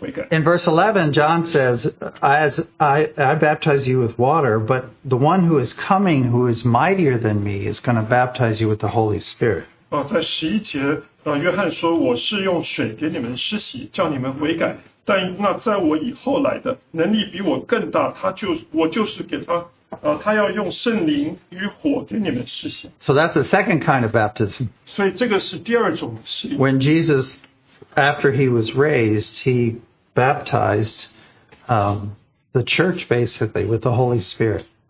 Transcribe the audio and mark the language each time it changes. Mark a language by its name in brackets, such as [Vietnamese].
[English] In verse 11, John says, I baptize you with water, but the one who is coming, who is mightier than me, is going to baptize you with the Holy Spirit. [Chinese] 在11节，约翰说，我是用水给你们施洗，叫你们悔改，但那在我以后来的，能力比我更大，他要用圣灵与火给你们施洗。 [English] So that's the second kind of baptism. [Chinese] 所以这个是第二种施洗。 [English] When Jesus, after he was raised, he baptized the church basically with the Holy Spirit.